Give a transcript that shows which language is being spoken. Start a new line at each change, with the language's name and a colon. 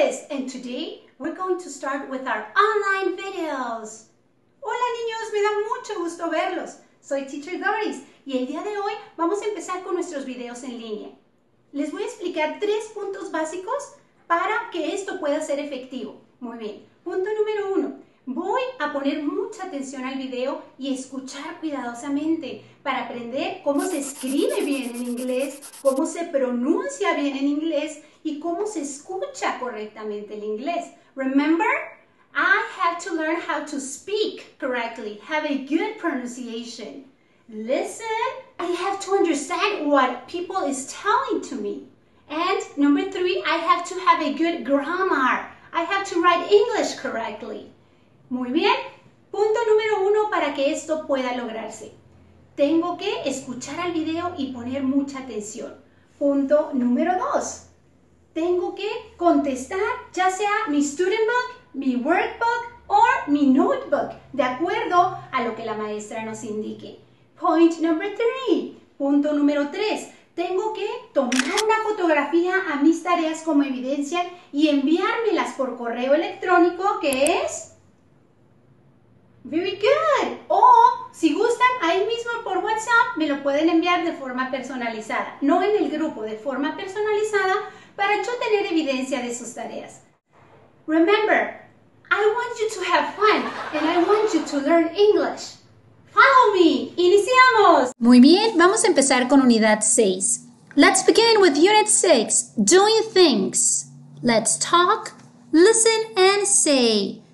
English: and today we're going to start with our online videos.
Spanish: Hola niños, me da mucho gusto verlos. Soy Teacher Doris y el día de hoy vamos a empezar con nuestros videos en línea. Les voy a explicar tres puntos básicos para que esto pueda ser efectivo. Muy bien, punto número uno. Voy a poner mucha atención al video y escuchar cuidadosamente para aprender cómo se escribe bien en inglés, cómo se pronuncia bien en inglés y cómo se escucha correctamente el inglés.
English: Remember, I have to learn how to speak correctly, have a good pronunciation. Listen, I have to understand what people is telling to me. And number three, I have to have a good grammar. I have to write English correctly.
Spanish: Muy bien, punto número uno para que esto pueda lograrse. Tengo que escuchar el video y poner mucha atención. Punto número dos, tengo que contestar ya sea mi student book, mi workbook o mi notebook, de acuerdo a lo que la maestra nos indique.
English: Point number three,
Spanish: punto número tres, tengo que tomar una fotografía a mis tareas como evidencia y enviármelas por correo electrónico, que es...
English: Very good.
Spanish: O, si gustan, ahí mismo por WhatsApp me lo pueden enviar de forma personalizada. No en el grupo, de forma personalizada para yo tener evidencia de sus tareas.
English: Remember, I want you to have fun and I want you to learn English. Follow me.
Spanish: ¡Iniciamos! Muy bien, vamos a empezar con unidad 6.
English: Let's begin with unit 6, doing things. Let's talk, listen and say.